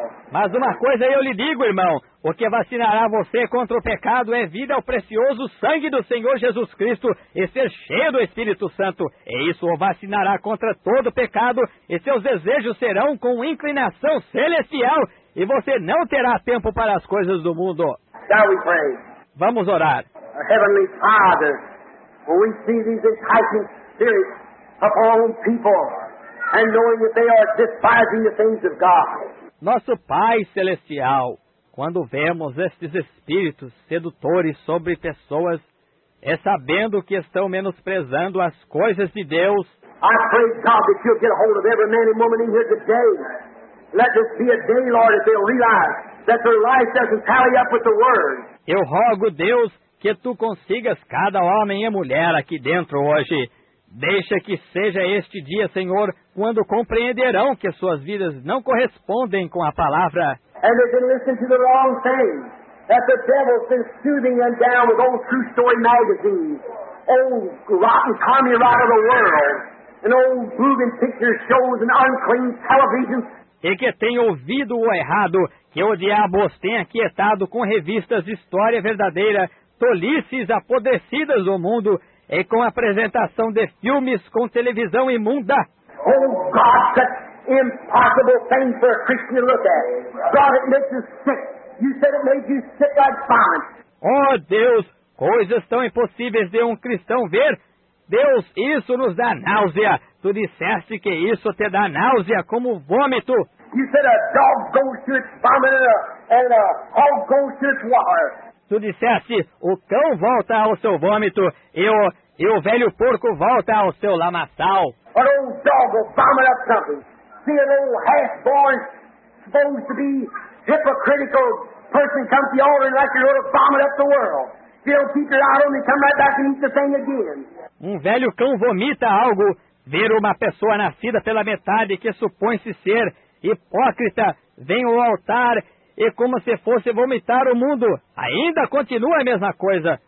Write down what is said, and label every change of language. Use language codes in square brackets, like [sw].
[pt] Mas uma coisa eu lhe digo, irmão. O que vacinará você contra o pecado é vir ao precioso sangue do Senhor Jesus Cristo e ser cheio do Espírito Santo. E isso o vacinará contra todo o pecado e seus desejos serão com inclinação celestial. E você não terá tempo para as coisas do mundo. [en] Shall we pray? [pt] Vamos orar. [en] Heavenly Father, when we see these enticing spirits upon people and knowing that they are despising the things of God. [pt] Nosso Pai Celestial, quando vemos estes espíritos sedutores sobre pessoas, é sabendo que estão menosprezando as coisas de Deus. [en] I pray God that you'll get a hold of every man and woman in here today. Let this be a day, Lord, that they'll realize that their life doesn't tally up with the word. [pt] Eu rogo, Deus, que tu consigas cada homem e mulher aqui dentro hoje. Deixa que seja este dia, Senhor, quando compreenderão que suas vidas não correspondem com a palavra. [en] And they've been listening to the wrong thing. That the devil's been soothing them down with old true story magazines. Old rotten commie rot of the world. And old moving picture shows and unclean television. [pt] E que tem ouvido o errado, que o diabo os tem aquietado com revistas de história verdadeira, tolices apodrecidas do mundo, e com apresentação de filmes com televisão imunda. [en] Oh, God, that's impossible thing for a Christian to look at. God, it makes you sick. You said it made you sick like vomit. [pt] Oh, Deus, coisas tão impossíveis de um cristão ver. Deus, isso nos dá náusea. Tu disseste que isso te dá náusea como vômito. [en] You said a dog goes to its vomit and a hog goes to its water. [pt] Tu disseste, o cão volta ao seu vômito e o velho porco volta ao seu lamaçal. [en] An old dog will vomit up something. See an old half-born, supposed to be hypocritical person come to the altar and like you're going to vomit up the world. He'll keep it out and come right back and eat the thing again. [pt] Um velho cão vomita algo. Ver uma pessoa nascida pela metade que supõe-se ser hipócrita vem ao altar e como se fosse vomitar o mundo, ainda continua a mesma coisa.